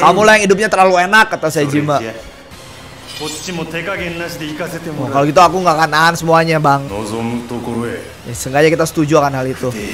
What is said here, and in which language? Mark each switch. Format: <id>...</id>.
<id>Kamu hidupnya terlalu enak kata Saejima.</id> <ja>こっちも手加減なしで行かせても。</ja> <id>Kalau gitu aku enggak akan nahan semuanya, Bang. Ya, sengaja kita setuju akan hal itu.</id>